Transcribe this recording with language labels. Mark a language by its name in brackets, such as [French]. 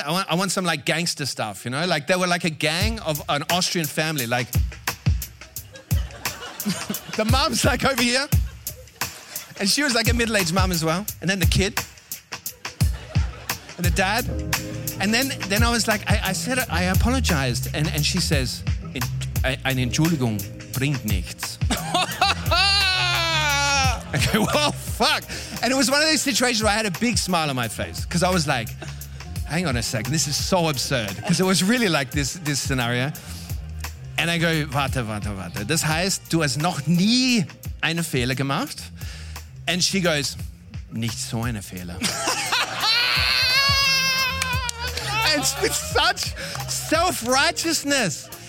[English] I want some like gangster stuff, you know? Like they were like a gang of an Austrian family. Like the mom's like over here. And she was like a middle-aged mom as well. And then the kid. And the dad. And then I was like, I said, I apologized. And she says, [German] ein Entschuldigung bringt nichts. [English] Okay, well, fuck. And it was one of those situations where I had a big smile on my face because I was like, hang on a second, this is so absurd. Because it was really like this scenario. And I go, warte. [German] Das heißt, du hast noch nie einen Fehler gemacht? [English] And she goes, [German] nicht so einen Fehler. [English] And with such self-righteousness.